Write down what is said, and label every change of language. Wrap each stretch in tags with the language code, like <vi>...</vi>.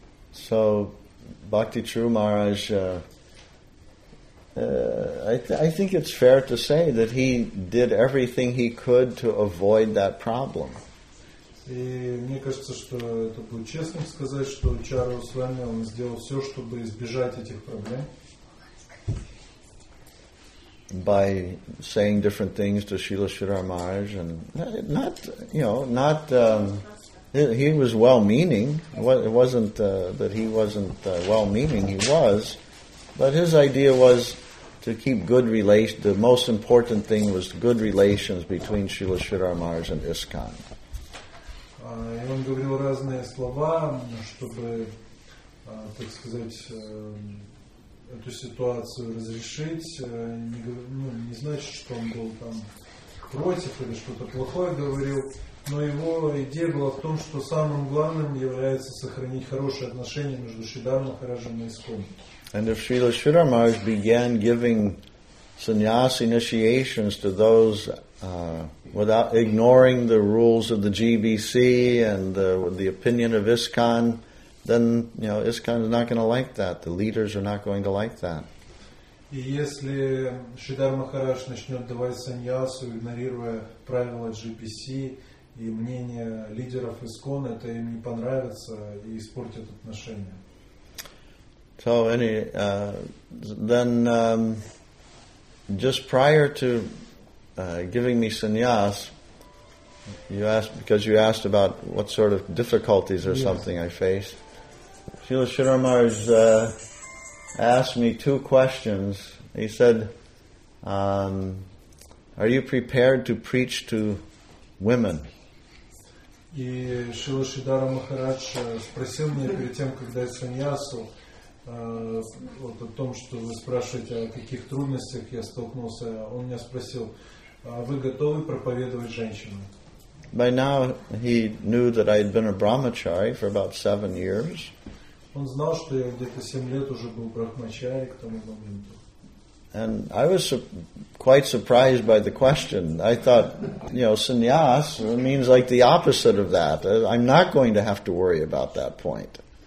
<en>So, Bhakti Charu Maharaj, I think it's fair to say that he did everything he could to avoid that problem.</en> <ru>И мне кажется, что это будет честным сказать, что Чару Свами он сделал все, чтобы избежать этих проблем.</ru> <en>By saying different things to Srila Sridhar Maharaj, and not. He was well-meaning. It wasn't that he wasn't well-meaning. He was, but his idea was to keep good relations. The most important thing was good relations between Srila Sridhar Maharaj and ISKCON.</en> <ru>И он говорил разные слова, чтобы так сказать, эту ситуацию разрешить, не значит, что он был там против или что-то плохое говорил, но его идея была в том, что самым главным является сохранить хорошие отношения между Шридхар Махараджем и ИСККОН.</ru> <en>And if Srila Sridhar Maharaj began giving sannyas initiations to those without ignoring the rules of the GBC and the opinion of ISKCON, then you know ISKCON is not going to like that. The leaders are not going to like that.</en> <ru>И если Шридхар Махарадж начнет давать саньясу, игнорируя правила GBC и мнение лидеров ИСККОН, это им не понравится и испортит отношения.</ru> <en>So any then just prior to giving me sannyas, you asked, because you asked about what sort of difficulties or something I faced. Srila Sridhar Maharaj asked me two questions. He said, "Are you prepared to preach to women?"</en> <ru>И Шрила Шридхар Махарадж спросил меня перед тем, когда я саньясу. Вот о том, что вы спрашиваете, о каких трудностях я столкнулся, он меня спросил, а вы готовы проповедовать женщинам?</ru> <en>By now he knew that I had been a brahmachari for about 7 years.</en> <ru>Он знал, что я где-то 7 лет уже был брахмачари к тому моменту.</ru> <en>And I was quite surprised by the question. I thought, you know, sannyas means like the opposite of that. I'm not going to have to worry about that point.</en>